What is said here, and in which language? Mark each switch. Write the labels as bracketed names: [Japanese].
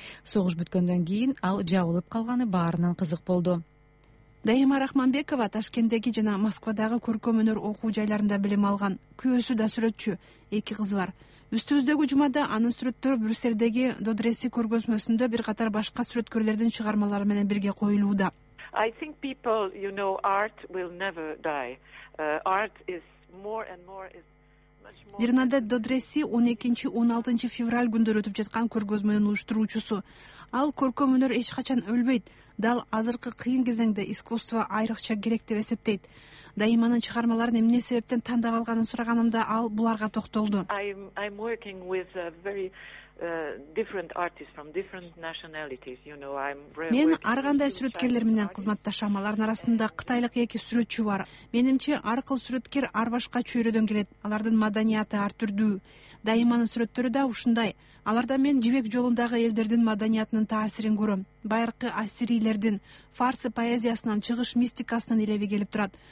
[Kyrgyz] Согуш бүткөндөн кийин ал жабылып калганы баарынан кызык болду. Дайыма Рахманбекова Ташкенттеги жана Москвадагы көркөм өнөр окуу жайларында билим алган. Күйөөсү да сүрөтчү, эки кызы бар. Үстүбүздөгү жумада анын сүрөттөрү Брюссельдеги Додреси көргөзмөсүндө бир катар башка сүрөткөрлөрдүн чыгармалары менен бирге коюлууда. [English] I think people, you know, art will never die. Art is more and more is... [Kyrgyz] Бернаде Додреси 12-16 февраль күндөрү өтүп жаткан көргөзмөнүн уюштуруучусу. Ал көркөм өнөр эч качан өлбөйт. Дал азыркы кыйын кезеңде искусство айрыкча керек деп эсептейт. Дайыманын чыгармаларын эмне себептен тандап алганын сураганымда ал буларга токтолду. [English] I'm working with a very different artists from different nationalities. You know, I'm [Kyrgyz] мен ар кандай сүрөткерлер менен кызматташам. Алардын арасында кытайлык эки сүрөтчү бар. Менимче, ар кыл сүрөткер ар башка чөйрөдөн келет. Алардын маданияты ар түрдүү. Дайыманын сүрөттөрү да ушундай. Аларда мен жибек жолундагы элдердин маданиятынын таасирин көрөм. Байыркы ассирийлердин фарсы поэзиясынан чыгыш мистикасынын илеби келип турат.